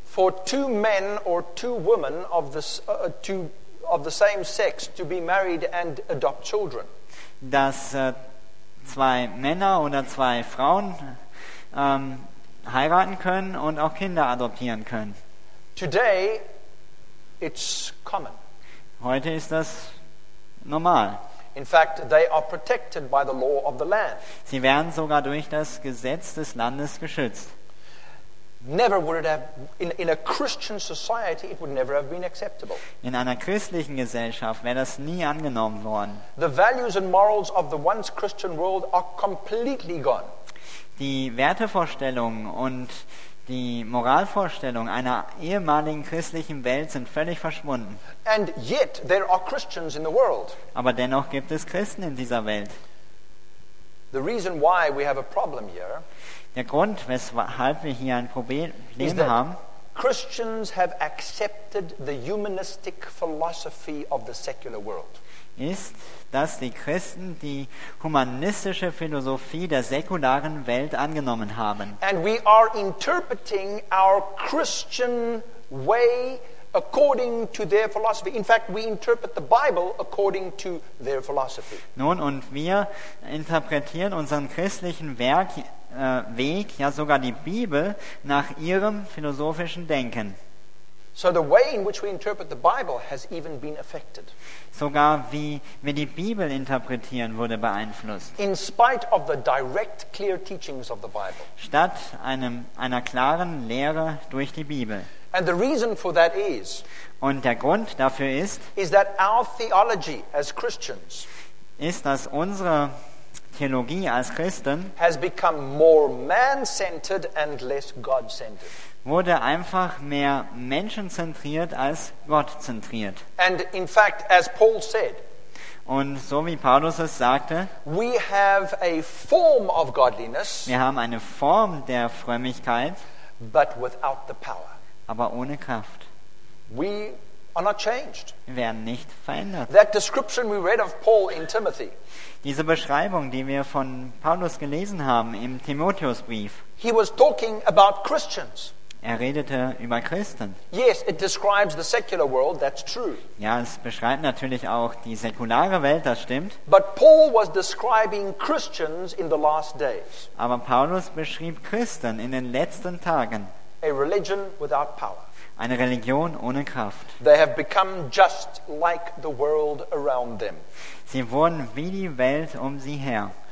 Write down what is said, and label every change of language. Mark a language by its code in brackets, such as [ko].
[en] for two men or two women of the same sex to be married and adopt children. [de] Dass zwei Männer oder zwei Frauen heiraten können und auch Kinder adoptieren können. [en] Today it's common. [de] Heute ist das normal. [en] In fact, they are protected by the law of the land. [de] Sie werden sogar durch das Gesetz des Landes geschützt. [en] Never would it have in a Christian society it would never have been acceptable. [de] In einer christlichen Gesellschaft wäre das nie angenommen worden. [en] The values and morals of the once Christian world are completely gone. [de] Die Wertevorstellungen und die Moralvorstellungen einer ehemaligen christlichen Welt sind völlig verschwunden. [en] And yet there are Christians in the world. [de] Aber dennoch gibt es Christen in dieser Welt. [en] The reason why we have a problem here, [de] der Grund, weshalb wir hier ein Problem haben, [en] Christians have accepted the humanistic philosophy of the secular world. [de] Ist, dass die Christen die humanistische Philosophie der säkularen Welt angenommen haben. [en] And we are interpreting our Christian way according to their philosophy. In fact, we interpret the Bible according to their philosophy. [de] Nun, und wir interpretieren unseren christlichen Weg, ja sogar die Bibel, nach ihrem philosophischen Denken. [en] So the way in which we interpret the Bible has even been affected. [de] Sogar wie wir die Bibel interpretieren, wurde beeinflusst. [en] In spite of the direct clear teachings of the Bible. [de] Statt einer klaren Lehre durch die Bibel. [en] And the reason for that is, [de] und der Grund dafür ist, [en] is that our theology as Christians, [de] ist, dass unsere Theologie als Christen, [en] has become more man-centered and less God-centered. [de] Wurde einfach mehr menschenzentriert als gottzentriert. [en] And in fact, as Paul said, [de] und so wie Paulus es sagte, [en] we have a form of godliness, [de] wir haben eine Form der Frömmigkeit, [en] but without the power. [de] Aber ohne Kraft. [en] We are not changed. [de] Wir werden nicht verändert. [en] That description we read of Paul in Timothy. [de] Diese Beschreibung, die wir von Paulus gelesen haben im Timotheusbrief. [en] He was talking about Christians. [de] Er redete über Christen. [en] Yes, it describes the secular world, that's true. [de] Ja, es beschreibt natürlich auch die säkulare Welt, das stimmt. [en] But Paul was describing Christians in the last days. [de] Aber Paulus beschrieb Christen in den letzten Tagen. [en] A religion without power. [de] Eine Religion ohne Kraft. [en] They have become just like the world around them. [de] Sie wurden wie die Welt um sie her.